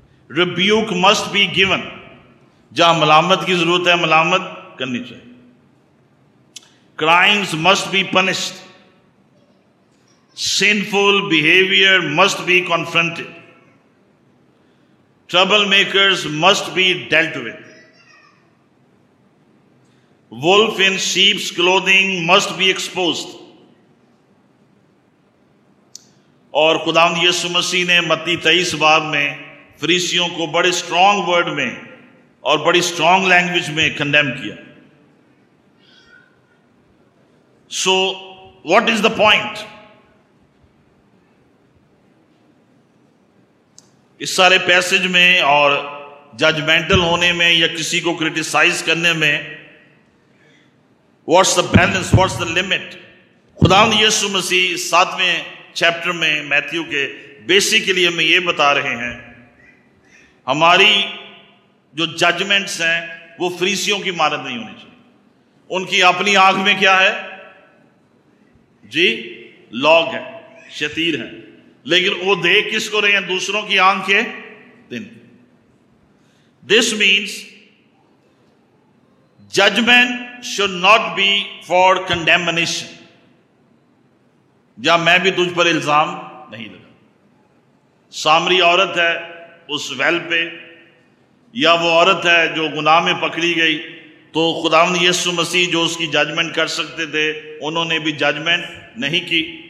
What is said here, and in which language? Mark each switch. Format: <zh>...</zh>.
<en>rebuke must be given,</en> <ur>جہاں ملامت کی ضرورت ہے ملامت کرنی چاہیے.</ur> <en>Crimes must be punished, sinful behaviour must be confronted, trouble makers must be dealt with. Wolf in sheep's clothing must be exposed.</en> <ur>اور خداوند یسوع مسیح نے متی 23 میں فریسیوں کو بڑے اسٹرانگ ورڈ میں اور بڑی اسٹرانگ لینگویج میں کنڈیم کیا.</ur> <en>So what is the point?</en> <ur>اس سارے پیسج میں اور ججمنٹل ہونے میں یا کسی کو کریٹیسائز کرنے میں</ur> <en>What's the balance, what's the limit?</en> <ur>خداوند یسوع مسیح 7 چیپٹر میں متیو کے بیسیکلی ہمیں یہ بتا رہے ہیں ہماری جو ججمنٹس ہیں وہ فریسیوں کی مانند نہیں ہونی چاہیے. ان کی اپنی آنکھ میں کیا ہے جی؟ لوگ ہے، شتیر ہے، لیکن وہ دیکھ کس کو رہے ہیں؟ دوسروں کی آنکھیں دن.</ur> <en>This means judgement should not be for condemnation.</en> <ur>یا میں بھی تجھ پر الزام نہیں لگا. سامری عورت ہے اس ویل پہ، یا وہ عورت ہے جو گناہ میں پکڑی گئی، تو خداوند یسوع مسیح جو اس کی ججمنٹ کر سکتے تھے انہوں نے بھی ججمنٹ نہیں کی.</ur>